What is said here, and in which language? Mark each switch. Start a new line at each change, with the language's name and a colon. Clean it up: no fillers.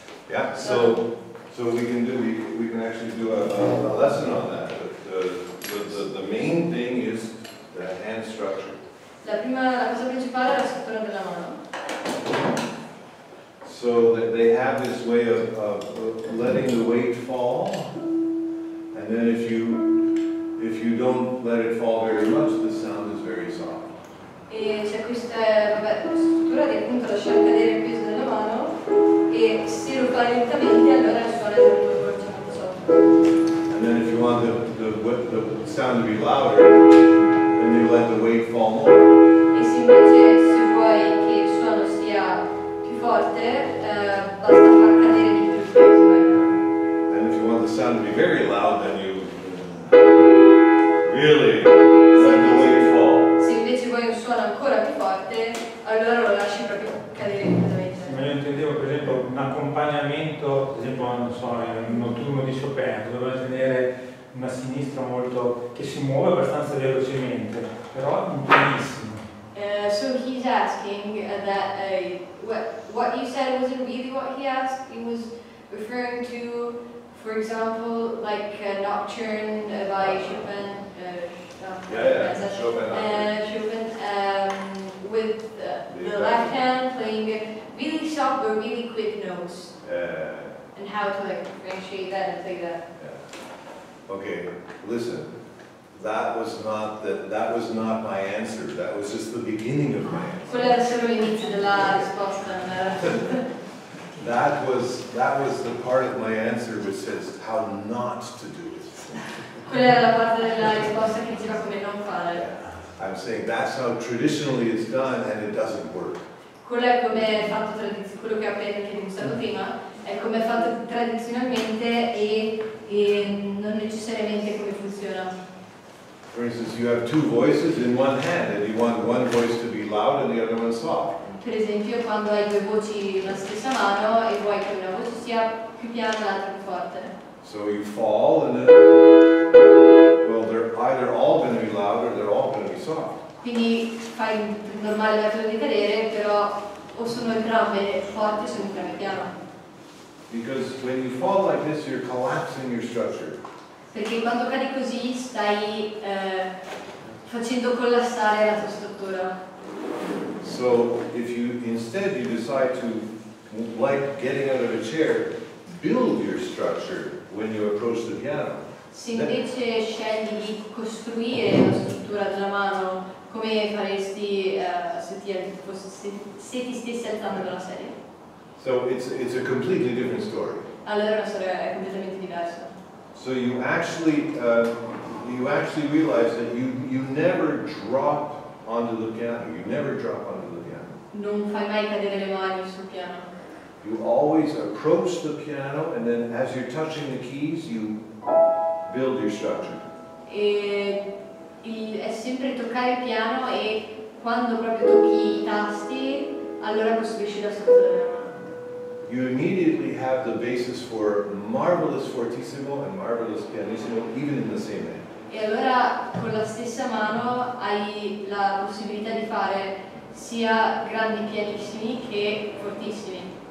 English: Yeah, so we can actually do a lesson on that. The main thing is the hand structure.
Italian: La cosa principale è la struttura della mano.
English: So they have this way of letting the weight fall, and then if you don't let it fall very much, the sound is very soft.
Italian: E c'è questa struttura di appunto lasciar cadere il peso della mano.
English: And then if you want the sound to be louder, then you let the weight fall more.
Italian: E se invece se vuoi che il suono sia più forte, basta far cadere di più il peso.
English: And if you want the sound to be very loud, then you really let the weight fall.
Italian: Se invece vuoi un suono ancora più forte, allora lo lasci proprio cadere. Io intendevo per esempio un accompagnamento, per esempio non so, un notturno di Chopin, dovrebbe tenere una sinistra molto che si muove abbastanza velocemente, però in pianissimo.
English: So he's asking that what you said wasn't really what he asked. He was referring to, for example, like a nocturne by Chopin. Chopin with the left hand playing really soft but really quick notes, and how to like differentiate that and play that. Okay, listen, that was not my answer. That was just the beginning of my answer. that was the part of my answer which says how not to do it.
Italian: Quella è la parte della risposta che diceva come non fare.
English: I'm saying that's how traditionally it's done and it doesn't work.
Italian: Quello è come è fatto quello che ho appena dimostrato prima, è come è fatto tradizionalmente e non necessariamente come funziona.
English: For instance, you have two voices in one hand and you want one voice to be loud and the other one soft.
Italian: Per esempio, quando hai due voci nella stessa mano e vuoi che una voce sia più piana e l'altra più forte.
English: So you fall and then, well, they're either all going to be loud or they're all going to be soft.
Italian: Quindi fai il normale metodo di cadere, però o sono entrambe forti o sono entrambe piano.
English: Because when you fall like this, you're collapsing your structure.
Italian: Perché quando cadi così stai facendo collassare la tua struttura.
English: So if you instead you decide to, like getting out of a chair, build your structure when you approach the piano.
Italian: Se invece scegli di costruire la struttura della mano, come faresti se ti stessi alzando dalla sedia?
English: So it's a completely different story.
Italian: Allora la storia è completamente diversa.
English: So you actually realize that you never drop onto the piano. You never drop onto the piano.
Italian: Non fai mai cadere le mani sul piano.
English: You always approach the piano, and then as you're touching the keys, you build your structure.
Italian: È sempre toccare il piano e quando proprio tocchi i tasti, allora costruisci la struttura.
English: You immediately have the basis for marvelous fortissimo and marvelous pianissimo, even in the same hand.
Italian: E allora con la stessa mano hai la possibilità di fare sia grandi pianissimi che fortissimi.